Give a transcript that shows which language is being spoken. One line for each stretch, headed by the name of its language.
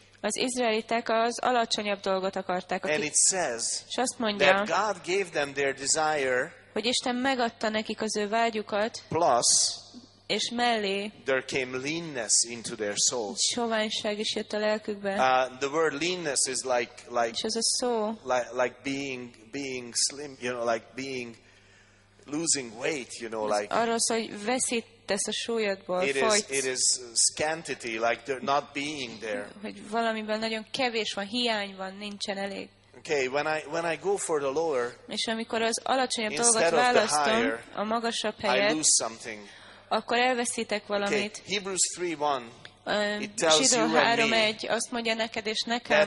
Hungarian: Az izraelitek az alacsonyabb dolgot akarták.
English: And it says,
Hungarian: és azt mondja,
English: that God gave them their desire,
Hungarian: hogy Isten megadta nekik az ő vágyukat,
English: plus,
Hungarian: és mellé
English: there came leanness into their souls.
Hungarian: Soványság is jött a lelkükbe.
English: The word leanness is like
Hungarian: és az a szó,
English: like being slim, you know, like being losing weight, you know, like
Hungarian: arról szó, hogy veszít tesz a súlyodból,
English: it is scantity, like they're not being there.
Hungarian: Hogy valamiben nagyon kevés van, hiány van, nincsen elég.
English: Okay, when I go for the lower,
Hungarian: és amikor az alacsonyabb dolgot választom, a magasabb helyet,
English: I lose something.
Hungarian: Akkor elveszítek valamit.
English: Okay, Hebrews 3:1.
Hungarian: Zsidó 3:1 azt mondja neked és nekem,